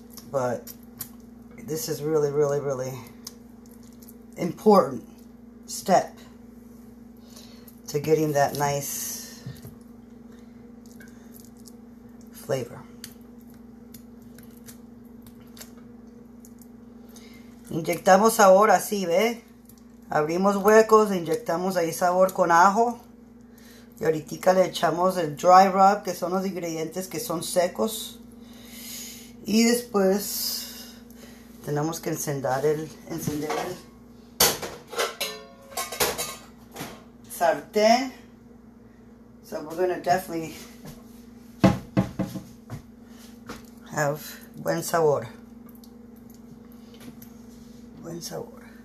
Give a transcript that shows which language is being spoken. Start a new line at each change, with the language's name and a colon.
English: But this is really, really, really important step to getting that nice flavor.
Spanish: Inyectamos sabor así, ¿ve? Abrimos huecos, inyectamos ahí sabor con ajo. Y ahorita le echamos el dry rub, que son los ingredientes que son secos. Y después tenemos que encender el sartén.
English: So we're going to definitely have
Spanish: buen sabor. Buen sabor.